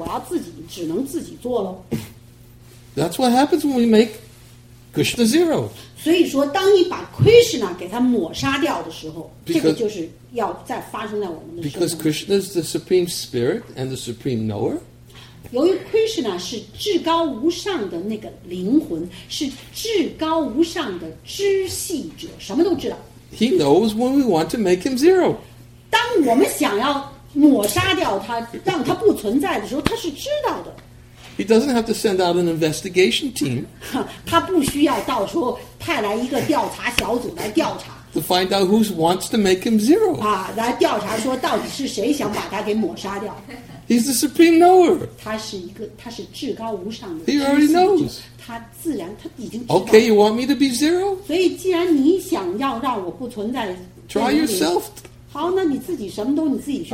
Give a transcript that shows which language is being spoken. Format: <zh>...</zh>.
<zh>所以因为你不存在嘛，那当然做事我要自己，只能自己做咯。</zh> <en>That's what happens when we make Krishna zero.</en> <zh>所以说，当你把Krishna给它抹杀掉的时候，</zh> <en>because,</en> <zh>这个就是要再发生在我们的生活。</zh> <en>Because Krishna is the supreme spirit and the supreme knower.</en> <zh>由于Krishna是至高无上的那个灵魂，是至高无上的知系者，什么都知道。</zh> <en>He knows when we want to make him zero.</en> <zh>当我们想要抹杀掉他，让他不存在的时候，他是知道的。</zh> <en>He doesn't have to send out an investigation team.</en> <zh>他不需要到时候派来一个调查小组来调查。</zh> <en>To find out who wants to make him zero.</en> <zh>啊，来调查说到底是谁想把他给抹杀掉。</zh> <en>He's the supreme knower.</en> <zh>他是一个，他是至高无上的。</zh> <en>He already knows.</en> <zh>他自然，他已经知道。</zh> <en>Okay, you want me to be zero?</en> <zh>所以，既然你想要让我不存在</zh> <en>，Try yourself.</en> <zh>好，那你自己什么都你自己去试。</zh>